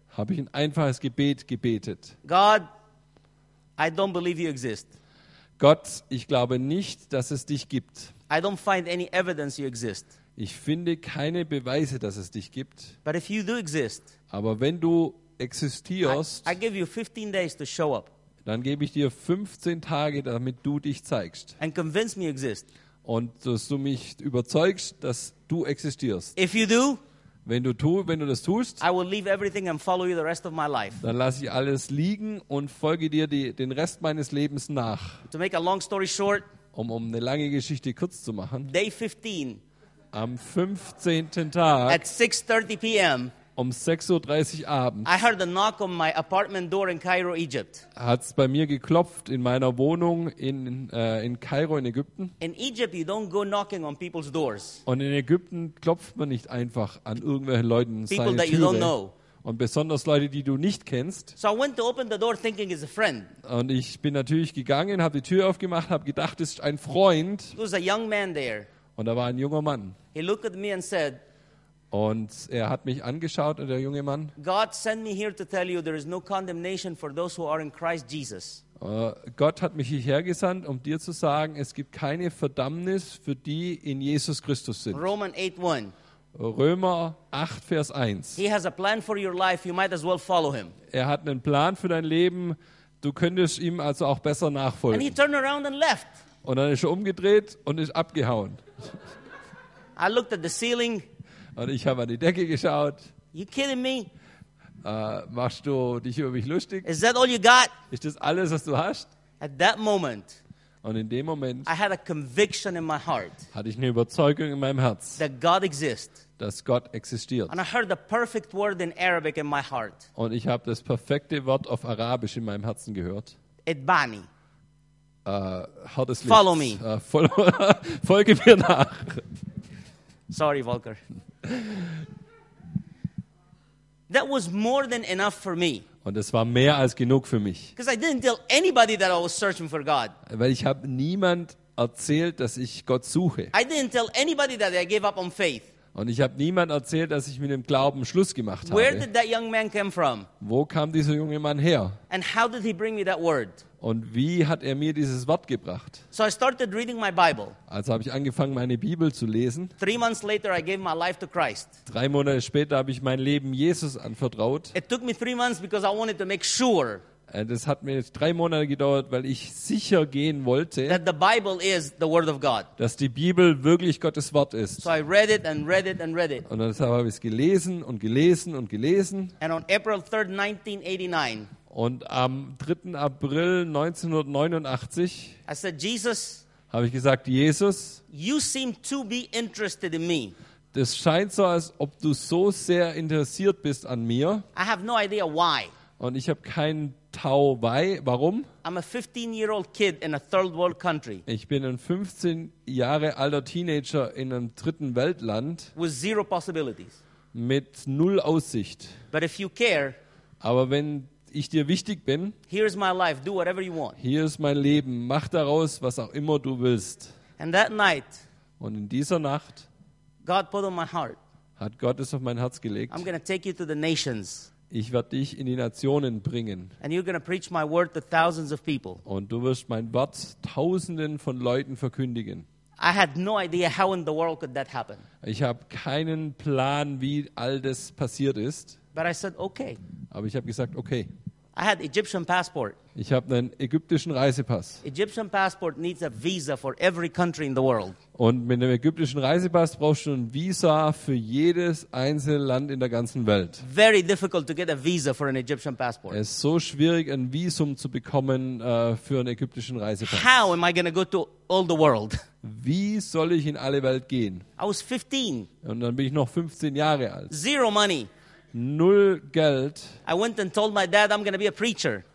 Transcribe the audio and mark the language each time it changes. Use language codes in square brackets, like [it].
[de] Habe ich ein einfaches Gebet gebetet. [en] God, I don't believe you exist. [de] Gott, ich glaube nicht, dass es dich gibt. [en] I don't find any evidence you exist. [de] Ich finde keine Beweise, dass es dich gibt. [en] But if you do exist, [de] aber wenn du existierst, [en] I give you 15 days to show up. [de] Dann gebe ich dir 15 Tage, damit du dich zeigst. [en] And convince me you exist. [de] Und dass du mich überzeugst, dass du existierst. [en] If you do, [de] wenn du das tust, [en] I will leave everything and follow you the rest of my life. [de] Dann lasse ich alles liegen und folge dir den Rest meines Lebens nach. [en] To make a long story short, [de] um eine lange Geschichte kurz zu machen. [en] Day 15. [de] Am 15. Tag [en] at 6:30 p.m. [de] um 6:30 Uhr abends. [en] I heard a knock on my apartment door in Cairo, Egypt. [de] Hat's bei mir geklopft in meiner Wohnung in Kairo in Ägypten. [en] In Egypt you don't go knocking on people's doors. [de] Und in Ägypten klopft man nicht einfach an irgendwelchen Leuten [en] People [de] seine [en] that [de] Türe. [en] You don't know. [de] Und besonders Leute, die du nicht kennst. [en] So I went to open the door thinking it's a friend. [de] Und ich bin natürlich gegangen, habe die Tür aufgemacht, habe gedacht, es ist ein Freund. [en] There was a young man there. [de] Und da war ein junger Mann. [en] He looked at me and said, [de] und er hat mich angeschaut, der junge Mann. [en] God sent me here to tell you there is no condemnation for those who are in Christ Jesus. [de] Gott hat mich hierher gesandt, um dir zu sagen, es gibt keine Verdammnis für die in Jesus Christus sind. [en] Romans 8:1. [de] Römer 8, Vers 1. [en] He has a plan for your life, you might as well follow him. [de] Er hat einen Plan für dein Leben, du könntest ihm also auch besser nachfolgen. [en] And he turned around and left. [de] Und dann ist er umgedreht und ist abgehauen. [en] I looked at the ceiling. [de] Und ich habe an die Decke geschaut. [en] You kidding me? [de] Machst du dich über mich lustig? [en] Is that all you got? [de] Ist das alles, was du hast? [en] At that moment. [de] Und in dem Moment. [en] I had a conviction in my heart. [de] Hatte ich eine Überzeugung in meinem Herz. [en] That God exists. [de] Dass Gott existiert. [en] And I heard the perfect word in Arabic in my heart. [de] Und ich habe das perfekte Wort auf Arabisch in meinem Herzen gehört. [ar] Itbani. [en] Follow me. [de] Folge mir nach. [en] Sorry, Volker. That was more than enough for me. [de] Und es war mehr als genug für mich. [en] Because I didn't tell anybody that I was searching for God. [de] Weil ich habe niemand erzählt, dass ich Gott suche. [en] I didn't tell anybody that I gave up on faith. [de] Und ich habe niemand erzählt, dass ich mit dem Glauben Schluss gemacht habe. [en] Where did that young man come from? [de] Wo kam dieser junge Mann her? [en] And how did he bring me that word? [de] Und wie hat er mir dieses Wort gebracht? [en] So I started reading my Bible. [de] Also habe ich angefangen, meine Bibel zu lesen. [en] 3 months later, I gave my life to Christ. [de] 3 Monate später habe ich mein Leben Jesus anvertraut. [en] It took me 3 months because I wanted to make sure. [de] Das hat mir jetzt 3 Monate gedauert, weil ich sicher gehen wollte, [en] that the Bible is the word of God. [de] Dass die Bibel wirklich Gottes Wort ist. [en] So I read it and read it and read it. [de] Und deshalb habe ich es gelesen und gelesen und gelesen. [en] And on April 3rd, 1989, [de] und am 3. April 1989 [en] I said, Jesus, [de] habe ich gesagt, Jesus, [en] you seem to be interested in me. [de] Das scheint so, als ob du so sehr interessiert bist an mir. [en] I have no idea why. [de] Und ich habe keinen Tau Wai. Warum? [en] I'm a 15-year-old kid in a third world country. [de] Ich bin ein 15 Jahre alter Teenager in einem dritten Weltland. [en] With zero possibilities. [de] Mit null Aussicht. [en] But if you care, [de] aber wenn ich dir wichtig bin, [en] here is my life. Do whatever you want. [de] Hier ist mein Leben. Mach daraus, was auch immer du willst. [en] And that night, [de] und in dieser Nacht, [en] God put on my heart, [de] hat Gott es auf mein Herz gelegt. [en] I'm gonna take you to the nations. [de] Ich werde dich in die Nationen bringen. [en] And you're gonna preach my word to thousands of people. [de] Und du wirst mein Wort Tausenden von Leuten verkündigen. [en] I had no idea how in the world could that happen. [de] Ich habe keinen Plan, wie all das passiert ist. [en] But I said okay. [de] Aber ich habe gesagt okay. [en] I had Egyptian passport. [de] Ich habe einen ägyptischen Reisepass. [en] Egyptian passport needs a visa for every country in the world. [de] Und mit einem ägyptischen Reisepass brauchst du ein Visa für jedes einzelne Land in der ganzen Welt. [en] Very difficult to get a visa for an Egyptian passport. [de] Es ist so schwierig, ein Visum zu bekommen für einen ägyptischen Reisepass. [en] How am I going to go to all the world? [de] Wie soll ich in alle Welt gehen? [en] I was 15. [de] Und dann bin ich noch 15 Jahre alt. [en] Zero money. [de] Null Geld. [en] I went and told my dad I'm going to be a preacher.